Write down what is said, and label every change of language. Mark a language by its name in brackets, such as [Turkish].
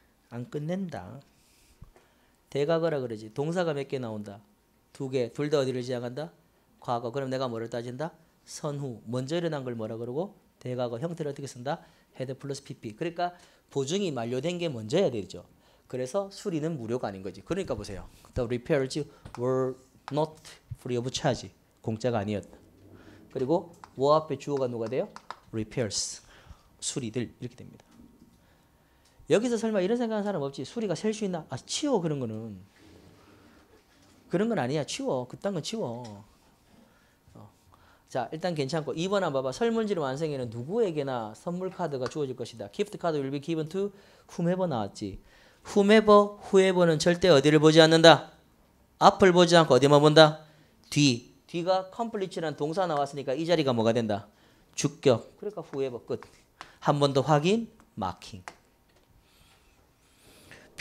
[Korean] 안 끝낸다. 대각어라 그러지. 동사가 몇 개 나온다. 두 개. 둘 다 어디를 지향한다? 과거. 그럼 내가 뭐를 따진다? 선후. 먼저 일어난 걸 뭐라 그러고 대각어 형태를 어떻게 쓴다? [English] Head plus PP. [Korean] 그러니까 보증이 만료된 게 먼저야 되죠. 그래서 수리는 무료가 아닌 거지. 그러니까 보세요. [English] The repairs were not free of charge. [Korean] 공짜가 아니었다. 그리고 뭐 앞에 주어가 누가 돼요? Repairs. 수리들. 이렇게 됩니다. 여기서 설마 이런 생각하는 사람 없지? 수리가 셀 수 있나? 아, 치워 그런 거는. 그런 건 아니야. 치워. 그딴 건 치워. 자, 일단 괜찮고 2번 한번 봐봐. 설문지를 완성에는 누구에게나 선물 카드가 주어질 것이다. [English] Gift card will be given to whomever [Korean] 나왔지. Whomever, whoever는 절대 어디를 보지 않는다. 앞을 보지 않고 어디만 본다? 뒤. 뒤가 complete라는 동사 나왔으니까 이 자리가 뭐가 된다? 주격. 그러니까 whoever 끝. 한 번 더 확인, marking. P